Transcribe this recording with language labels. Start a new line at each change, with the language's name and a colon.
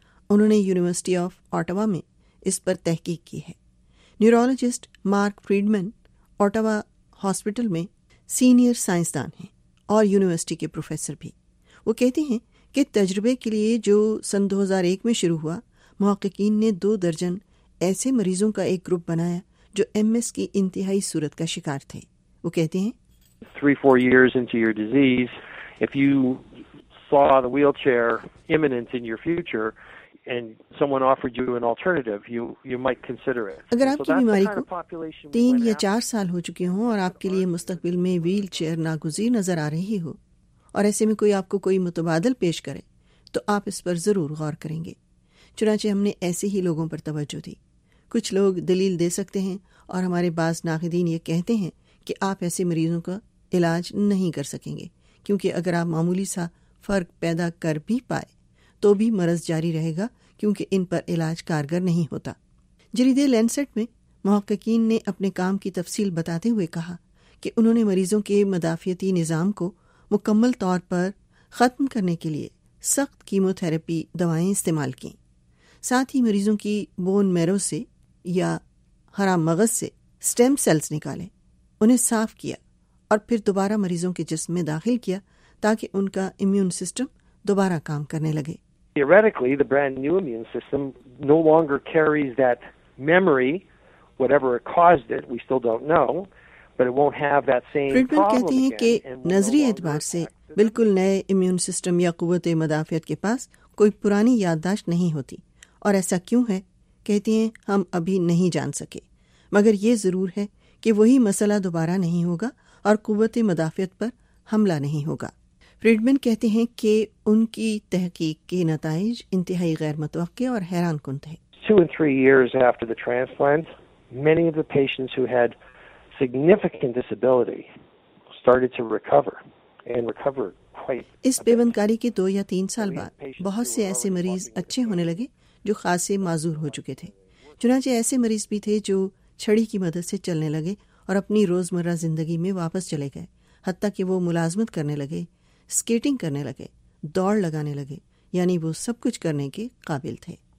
Urdu: انہوں نے university of Ottawa میں اس پر تحقیق کی ہے۔ نیورولوجسٹ مارک فریڈمن اوٹاوا ہاسپٹل میں سینئر سائنسدان ہیں اور یونیورسٹی کے پروفیسر بھی۔ وہ کہتے ہیں کہ تجربے کے لیے جو سن 2001 میں شروع ہوا، محققین نے 2 درجن ایسے مریضوں کا ایک گروپ بنایا جو ایم ایس کی انتہائی صورت کا شکار تھے۔ وہ کہتے ہیں
English: 3-4 years into your disease, if you saw the wheelchair imminent in your future and someone offered you an alternative, you might consider it.
Urdu: اگر آپ کی بیماری کو 3 یا 4 سال ہو چکے ہوں اور آپ کے لیے مستقبل میں ویل چیئر ناگزیر نظر آ رہی ہو، اور ایسے میں کوئی آپ کو کوئی متبادل پیش کرے، تو آپ اس پر ضرور غور کریں گے۔ چنانچہ ہم نے ایسے ہی لوگوں پر توجہ دی۔ کچھ لوگ دلیل دے سکتے ہیں اور ہمارے بعض ناقدین یہ کہتے ہیں کہ آپ ایسے مریضوں کا علاج نہیں کر سکیں گے، کیونکہ اگر آپ معمولی سا فرق پیدا کر بھی پائے تو بھی مرض جاری رہے گا، کیونکہ ان پر علاج کارگر نہیں ہوتا۔ جریدے لینسٹ میں محققین نے اپنے کام کی تفصیل بتاتے ہوئے کہا کہ انہوں نے مریضوں کے مدافعتی نظام کو مکمل طور پر ختم کرنے کے لیے سخت کیمو تھراپی دوائیں استعمال کیں، ساتھ ہی مریضوں کی بون میرو سے یا ہرا مغز سے سٹیم سیلز نکالے، انہیں صاف کیا اور پھر دوبارہ مریضوں کے جسم میں داخل کیا تاکہ ان کا امیون سسٹم دوبارہ کام کرنے لگے۔
English: Theoretically, the brand new immune system no longer carries that memory, whatever it caused it, we still don't know.
Urdu: فریڈمن کہتے ہیں کہ نظری اعتبار سے بالکل نئے امیون سسٹم یا قوت مدافعت کے پاس کوئی پرانی یادداشت نہیں ہوتی، اور ایسا کیوں ہے؟ کہتے ہیں ہم ابھی نہیں جان سکے، مگر یہ ضرور ہے کہ وہی مسئلہ دوبارہ نہیں ہوگا اور قوت مدافعت پر حملہ نہیں ہوگا۔ فریڈمن کہتے ہیں کہ ان کی تحقیق کے نتائج انتہائی غیر متوقع اور حیران کن تھے۔
English: 2 and 3 years after the transplant, many of the patients who had significant disability started to recover and recover quite.
Urdu: اس پیوند کاری کے 2 یا 3 سال بعد بہت سے ایسے مریض اچھے ہونے لگے جو خاصے معذور ہو چکے تھے۔ چنانچہ ایسے مریض بھی تھے جو چھڑی کی مدد سے چلنے لگے اور اپنی روزمرہ زندگی میں واپس چلے گئے، حتیٰ کہ وہ ملازمت کرنے لگے، اسکیٹنگ کرنے لگے، دوڑ لگانے لگے، یعنی وہ سب کچھ کرنے کے قابل تھے۔